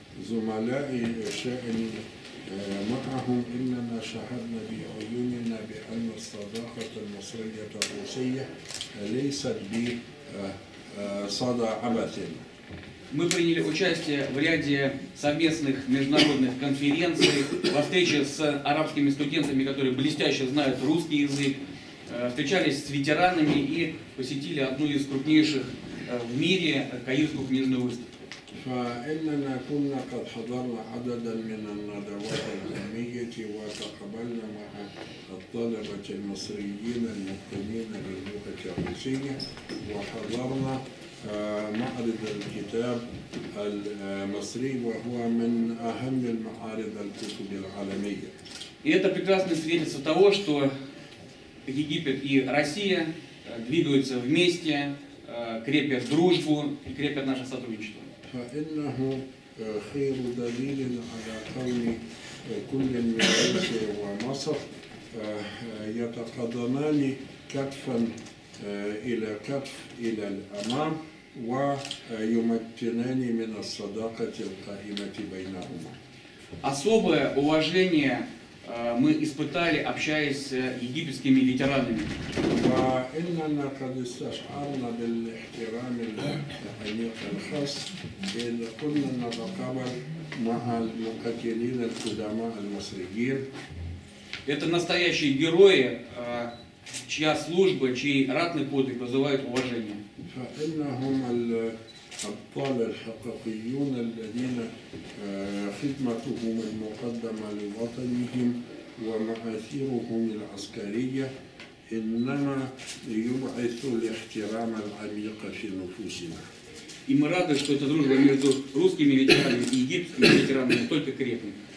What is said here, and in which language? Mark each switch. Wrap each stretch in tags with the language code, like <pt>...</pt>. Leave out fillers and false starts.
<ar>زملائي شأني معهم إنما شهدنا بعيوننا بأن الصداقة المصرية الروسية ليست بصدى عبث.</ar> <ru>Мы приняли участие в ряде совместных международных конференций, во встрече с арабскими студентами, которые блестяще знают русский язык, встречались с ветеранами и посетили одну из крупнейших в мире Каирскую книжную выставку.</ru> <ar>فإننا كنا قد حضرنا عددا من الندوات العلمية وتقابلنا مع الطلبة المصريين المهتمين باللغة الروسية وحضرنا معرض الكتاب المصري وهو من أهم المعارض الكتب العالمية.</ar> <ru>Это прекрасное свидетельство того, что Египет и Россия двигаются вместе, крепят дружбу и крепят наше сотрудничество.</ru> <ar>فإنه خير دليل على قول كل من روسيا ومصر يتقدمان كتفا إلى كتف إلى الأمام ويمكنان من الصداقة القائمة بينهما.</ar> <ru>Особое уважение мы испытали, общаясь с египетскими ветеранами.</ru> <ar>وإننا قد استشعرنا بالاحترام العميق الخاص اللي كنا نتقابل مع المقاتلين القدماء المصريين.</ar> <ru>Это настоящие герои, чья служба, чей ратный подвиг вызывает уважение.</ru> <ar>فإنهم الأبطال الحقيقيون الذين خدمتهم المقدمة لوطنهم ومآثيرهم العسكرية إنما يبعث الاحترام العميق في نفوسنا.</ar> <ru>И мы рады, что эта дружба между русскими ветеранами и египетскими ветеранами только крепнет.</ru>